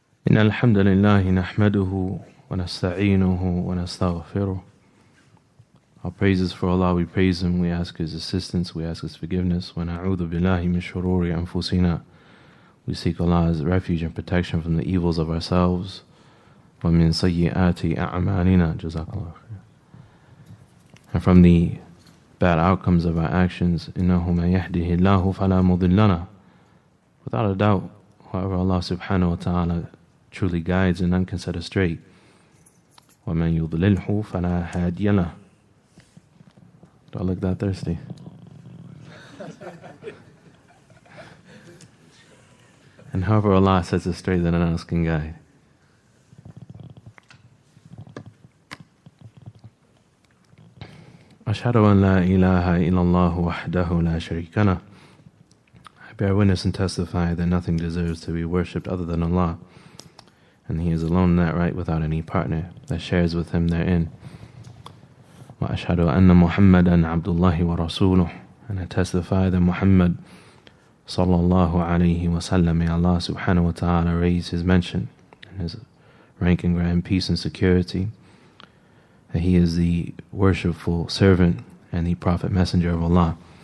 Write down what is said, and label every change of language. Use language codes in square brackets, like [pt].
[ar] إن الحمد لله نحمده ونستعينه ونستغفره. [en] Our praises for Allah, we praise Him, we ask His assistance, we ask His forgiveness. [ar] ونعوذ بالله من شرور أنفسنا. [en] We seek Allah's refuge and protection from the evils of ourselves. [ar] وَمِن سَيِّئَاتِ أَعْمَالِنَا جَزَاكَ اللَّهُ خَيْرًا. [en] And from the bad outcomes of our actions, [ar] إِنَّهُ مَن يَهْدِهِ اللَّهُ فَلَا مُضِلَّ لَهُ. [en] Without a doubt, whoever Allah subhanahu wa ta'ala truly guides and none can set astray. [ar] وَمَن يُضْلِلْهُ فَلَا هَادِيَ لَهُ. [en] Do I look that thirsty? And however Allah sets astray, then none else can guide. [ar] أشهد أن لا إله إلا الله وحده لا شريك له. [en] I bear witness and testify that nothing deserves to be worshipped other than Allah, and He is alone in that right without any partner that shares with Him therein. [ar] وأشهد أن محمدا عبد الله ورسوله. [en] And I testify that Muhammad صلى الله عليه وسلم, may Allah subhanahu wa ta'ala raise His mention and His rank and grant peace and security, that he is the worshipful servant and the prophet messenger of Allah.